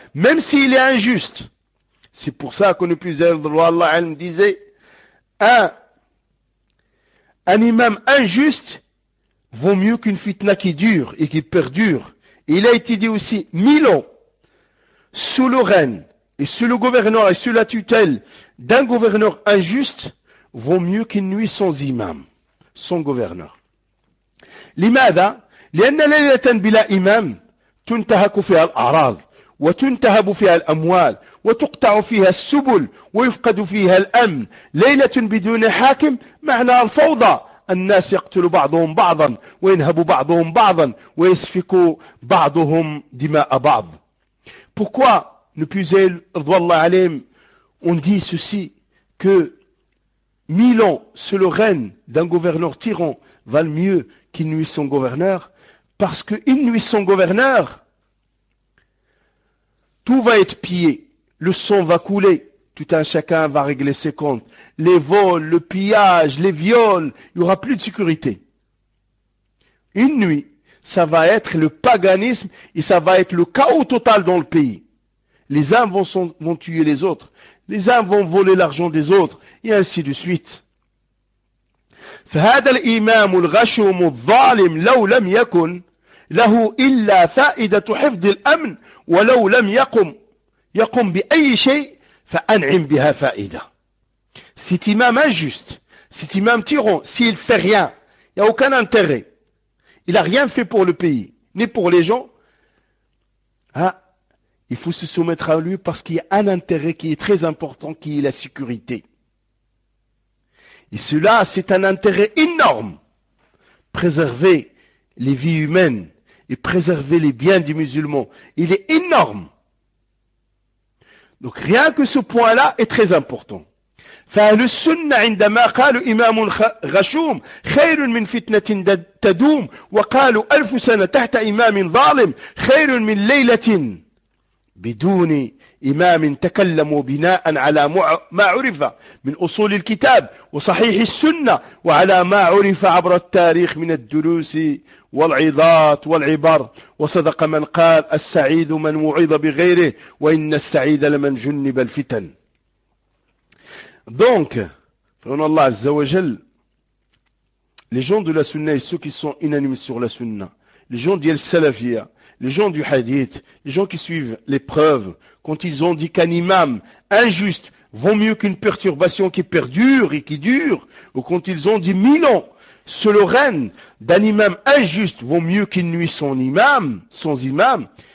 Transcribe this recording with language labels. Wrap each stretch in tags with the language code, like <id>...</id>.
<fr>Même s'il est injuste. C'est pour ça qu'on ne puisse Allah me disait, un imam injuste vaut mieux qu'une fitna qui dure et qui perdure. Il a été dit aussi, 1000 ans, sous le règne et sous le gouverneur et sous la tutelle d'un gouverneur injuste, vaut mieux qu'une nuit sans imam, sans gouverneur.</fr> <ar>لماذا؟ لأن ليلة بلا إمام تنتهك فيها الأعراض وتنتهب فيها الأموال وتقطع فيها السبل ويفقد فيها الأمن. ليلة بدون حاكم معنى الفوضى. الناس يقتل بعضهم بعضا وينهب بعضهم بعضا ويسفك بعضهم دماء بعض.</ar> <fr>Pourquoi ne plus elle,</fr> <ar>رضو الله عليهم,</ar> <fr>on dit ceci que 1000 ans sous le règne d'un gouverneur tyran valent mieux qu'une nuit sans gouverneur, parce qu'une nuit sans gouverneur, tout va être pillé, le sang va couler, tout un chacun va régler ses comptes, les vols, le pillage, les viols, il n'y aura plus de sécurité. Une nuit, ça va être le paganisme et ça va être le chaos total dans le pays. Les uns vont tuer les autres, les uns vont voler l'argent des autres, et ainsi de suite.</fr> <ar>فهذا الإمام الغشوم الظالم لو لم يكن له إلا فائدة حفظ الأمن ولو لم يقم بأي شيء فأنعم بها فائدة.</ar> <fr>Cet imam injuste, cet imam tyran, s'il ne fait rien, il n'y a aucun intérêt, il n'a rien fait pour le pays, ni pour les gens, il faut se soumettre à lui parce qu'il y a un intérêt qui est très important, qui est la sécurité. Et cela, c'est un intérêt énorme. Préserver les vies humaines et préserver les biens du musulman, il est énorme. Donc rien que ce point-là est très important.</fr> <ar>فأهل السنة عندما قالوا إمام غشوم خير من فتنة تدوم وقالوا ألف سنة تحت إمام ظالم خير من ليلة بدون إمام تكلموا بناء على ما عرف من أصول الكتاب وصحيح السنة وعلى ما عرف عبر التاريخ من الدروس والعظات والعبر وصدق من قال السعيد من وعظ بغيره وإن السعيد لمن جنب الفتن.</ar> <fr>Donc,</fr> <ar>فرون الله عز وجل,</ar> <fr>les gens de la sunna et ceux qui sont unanimes sur la sunna, les gens de l'salafia, les gens du hadith, les gens qui suivent les preuves, quand ils ont dit qu'un imam injuste vaut mieux qu'une perturbation qui perdure et qui dure, ou quand ils ont dit 1000 ans sous le règne d'un imam injuste vaut mieux qu'une nuit sans imam,</fr>